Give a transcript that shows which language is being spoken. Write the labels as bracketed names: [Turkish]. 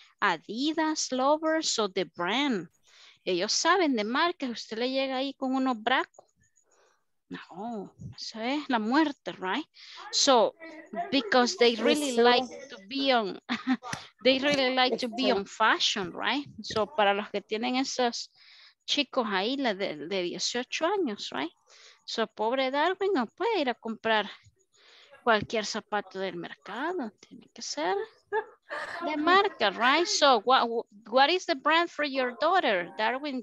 [Spanish] Adidas lovers o the brand. Ellos saben de marcas. Usted le llega ahí con unos bracos. No, eso es la muerte, right? [English] So, because they really like to be on, they really like to be on fashion, right? [Spanish] So, para los que tienen esos chicos ahí de 18 años, right? So, pobre Darwin no puede ir a comprar cualquier zapato del mercado. Tiene que ser... the marca, right? [English] So what is the brand for your daughter, Darwin?